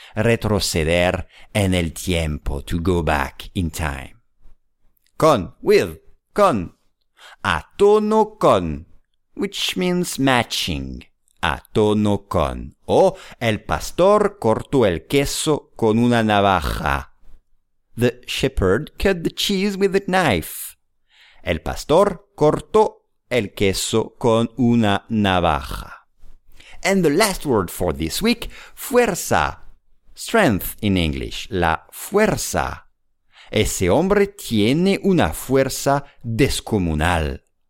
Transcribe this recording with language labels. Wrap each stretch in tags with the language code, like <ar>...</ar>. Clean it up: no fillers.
<es>Retroceder en el tiempo.</es> <en>To go back in time.</en> <es>Con.</es> <en>With.</en> <es>Con. A tono con.</es> <en>Which means matching.</en> <es>A tono con. O, el pastor cortó el queso con una navaja.</es> <en>The shepherd cut the cheese with a knife.</en> <es>El pastor cortó el queso con una navaja.</es> <en>And the last word for this week, fuerza. Strength in English.</en> <es>La fuerza. Ese hombre tiene una fuerza descomunal.</es>